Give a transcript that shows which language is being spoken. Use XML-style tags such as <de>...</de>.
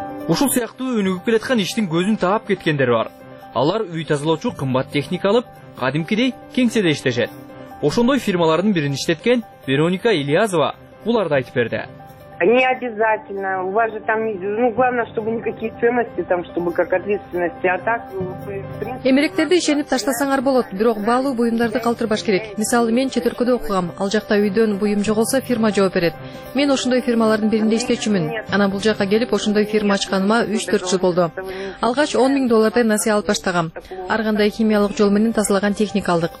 <ky>Ушул сыяктуу өнүгүп келаткан иштин көзүн таап кеткендер бар. Алар үй тазалоочу кымбат техника алып, кадимкидей кеңседе иштешет. Ошондой фирмалардын бирин иштеткен Вероника Ильязова буларды айтып берди.</ky> <ru>Не обязательно. У вас же там, ну, главное, чтобы никаких ценностей там, чтобы как ответственности, а так, в</ru> <ky>принципе. Эмеректерди ишенип таштасаңар болот, бирок баалуу буюмдарды калтырбаш керек. Мисалы, мен четөркөдө окугам. Ал жакта үйдөн буюм жоголсо, фирма жооп берет. Мен ошондой фирмалардын биринде иштечүмүн. Анан бул жака келип, ошондой фирма ачканыма 3-4 жыл болду. Алгач 10,000 доллардай насыя алып баштагам. Ар кандай химиялык жол менен тазалаган техника алдык.</ky>